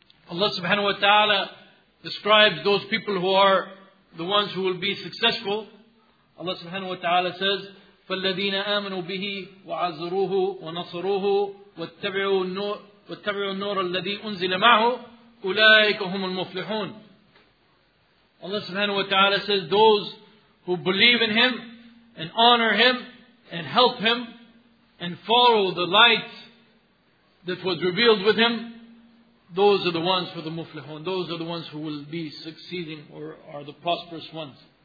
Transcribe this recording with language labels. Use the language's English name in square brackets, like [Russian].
[English] Allah subhanahu wa ta'ala describes those people who are the ones who will be successful. Allah subhanahu wa ta'ala says, [Arabic] فَالَّذِينَ آمَنُوا بِهِ وَعَزَرُوهُ وَنَصَرُوهُ وَاتَّبِعُوا النُّورَ الَّذِي أُنزِلَ مَعْهُ أُولَٰئِكَ هُمُ الْمُفْلِحُونَ. [English] Allah subhanahu wa ta'ala says, those who believe in Him and honor Him and help Him and follow the light that was revealed with Him, those are the ones for the muflihun. Those are the ones who will be succeeding or are the prosperous ones.